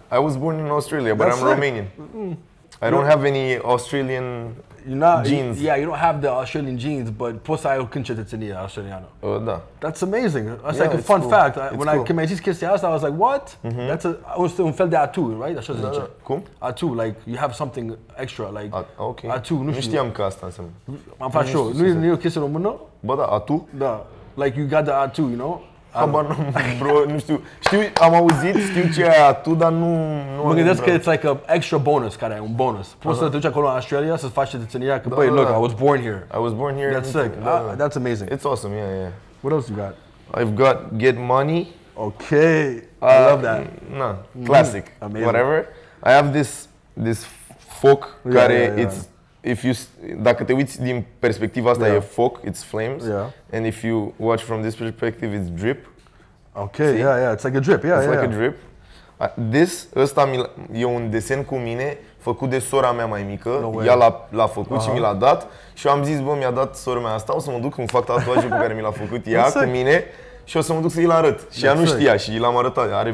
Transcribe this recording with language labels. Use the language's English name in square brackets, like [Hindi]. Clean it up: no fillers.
[English] I was born in Australia, but I'm Romanian. I don't have any Australian genes. You don't have the Australian genes, but [Romanian] poți să ai o cetățenie australiană. Da. [English] That's amazing. That's like a fun fact. I just kissed the ass, I was like, what? [Romanian] That's un fel de atu, right? Așa se zice. Cum? [English] Atu, like you have something extra, like atu. [Romanian] Nu știam că asta înseamnă. Am fac show. Nu e o chestie română? Ba da, atu? [English] Da. Like you got the atu, you know? [Romanian] Habar nu, bro, nu știu. Știu, am auzit, știu ce ai tu, dar nu mă gândesc că [English] it's like a extra bonus, [Romanian] care e un bonus. Poți să te duci acolo în Australia să faci cetățenia, că băi, [English] look, I was born here. That's sick. That's amazing. It's awesome. Yeah. What else you got? I've got get money. Okay. I love that. No. Classic. Amazing. Whatever. I have this foc [Romanian] care dacă te uiți din perspectiva asta, e foc, [English] it's flames. Yeah. And if you watch from this perspective, it's drip. Okay, see? yeah, it's like a drip. Yeah. It's like a drip. [Romanian] Ăsta e un desen cu mine, făcut de sora mea mai mică. [English] No, [Romanian] ea l-a făcut și mi l-a dat. Și eu am zis, bă, mi-a dat sora mea asta, o să mă duc, îmi fac tatuajul pe care mi l-a făcut ea cu mine și o să mă duc să-i l-arăt. Și ea nu știa și l-am arătat.